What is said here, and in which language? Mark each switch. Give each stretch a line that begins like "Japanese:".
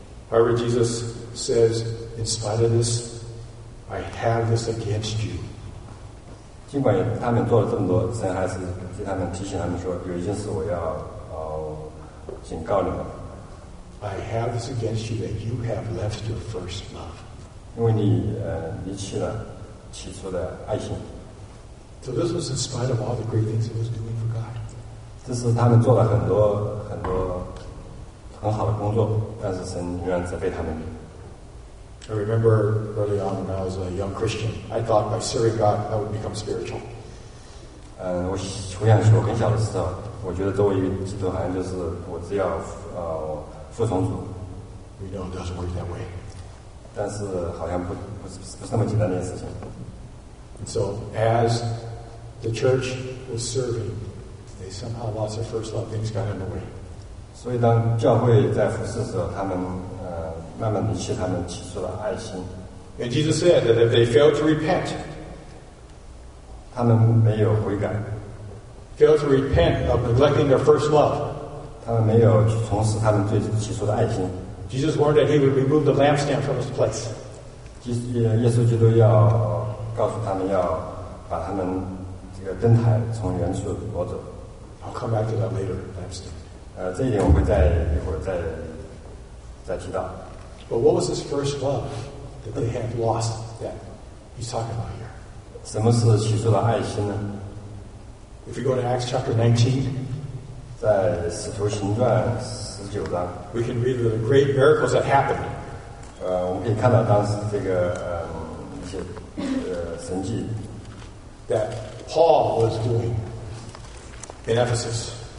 English: However, Jesus says, "In spite of this, I have this against you."
Chinese: 尽管他们做了这么多，神还是对他们提醒他们说，有一件事我要警告你们。
English: I have this against you that you have left your first love.
Chinese: 因为你离弃了起初的爱心。
English: So this was in spite of all the great things he was doing for God.
Chinese: 这是他们做了很多很多很好的工作，但是神仍然责备他们。
English: I remember early on when I was a young Christian, I thought by serving God I would become spiritual.
Chinese: 我初信时候很小的时候，我觉得作为一个基督徒，好像就是我只要服从主。
English: We know it doesn't work that way.
Chinese: 但是好像不是那么简单的一件事情。
English: And so as the church was serving, they somehow lost their first love. Things got in the way.
Chinese: 所以当教会在服侍的时候，他们慢慢离弃他们起初的爱心。
English: And Jesus said that if they failed to repent,
Chinese: 他们没有悔改。
English: Failed to repent of neglecting their first love.
Chinese: 他们没有重拾他们最起初的爱心。
English: Jesus warned that he would remove the lampstand from his place.
Chinese: 耶稣基督要告诉他们要把他们这个灯台从原处挪走。
English: I'll come back to that later, lampstand.
Chinese: 这一点我会在一会儿再提到。
English: But what was his first love that they had lost that he's talking about here?
Chinese: 什么是起初的爱心呢？
English: If you go to Acts chapter 19,
Chinese: 在使徒行传十九章，
English: we can read the great miracles that happened.
Chinese: 我们可以看到当时这个一些神迹
English: that Paul was doing in Ephesus.